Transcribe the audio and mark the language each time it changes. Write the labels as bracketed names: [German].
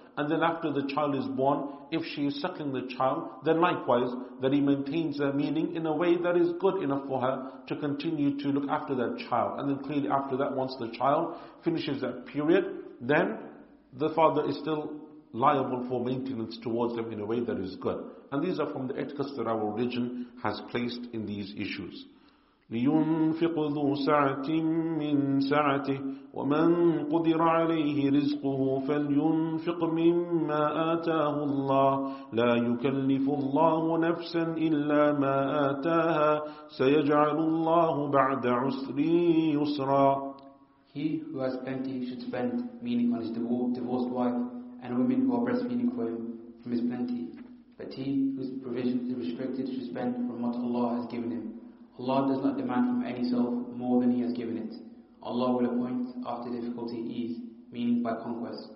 [English] And then after the child is born, if she is suckling the child, then likewise that he maintains her, meaning in a way that is good enough for her to continue to look after that child. And then clearly after that, once the child finishes that period, then the father is still liable for maintenance towards them in a way that is good. And these are from the etiquettes that our religion has placed in these issues. [Arabic] لينفق ذو سعة من سعته ومن قدر عليه رزقه فلينفق مما آتاه الله لا يكلف الله نفسا إلا ما آتاها سيجعل الله بعد عسر يسرا. [English] He who has plenty should spend, meaning on his divorced wife and women who are breastfeeding for him from his plenty. But he whose provision is restricted should spend from what Allah has given him. Allah does not demand from any soul more than He has given it. Allah will appoint after difficulty ease, meaning by conquest.